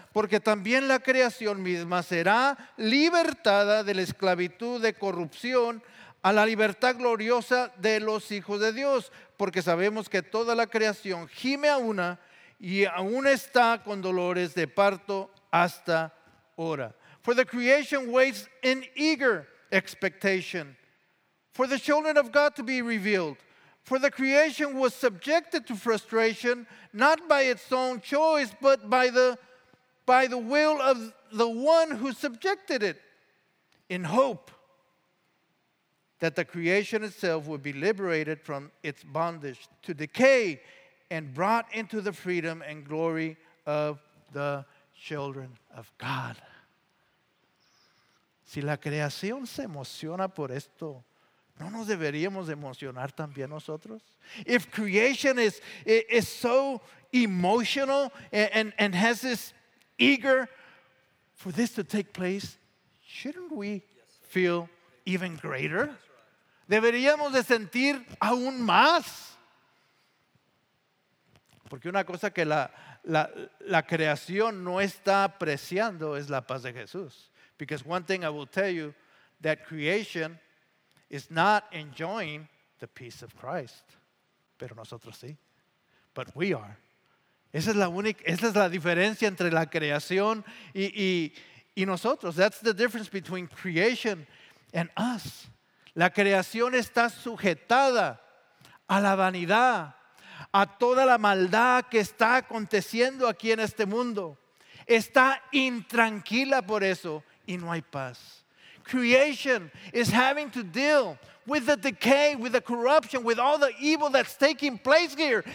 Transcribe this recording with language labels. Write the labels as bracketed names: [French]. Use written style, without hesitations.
[Spanish] Porque también la creación misma será libertada de la esclavitud de corrupción a la libertad gloriosa de los hijos de Dios. Porque sabemos que toda la creación gime a una y aún está con dolores de parto hasta ahora. [English] For the creation waits in eager expectation for the children of God to be revealed. For the creation was subjected to frustration, not by its own choice, but by the will of the one who subjected it, in hope that the creation itself would be liberated from its bondage to decay and brought into the freedom and glory of the children of God. [Spanish] Si la creación se emociona por esto, ¿no nos deberíamos emocionar también nosotros? [English] If creation is so emotional and has this eager for this to take place, shouldn't we feel even greater? [Spanish] Deberíamos de sentir aún más. Porque una cosa que la creación no está apreciando es la paz de Jesús. [English] Because one thing I will tell you, that creation is not enjoying the peace of Christ. [Spanish] Pero nosotros sí. [English] But we are. [Spanish] Esa es la diferencia entre la creación y nosotros. [English] That's the difference between creation and us. [Spanish] La creación está sujetada a la vanidad, a toda la maldad que está aconteciendo aquí en este mundo. Está intranquila por eso y no hay paz. [English] Creation is having to deal with the decay, with the corruption, with all the evil that's taking place here.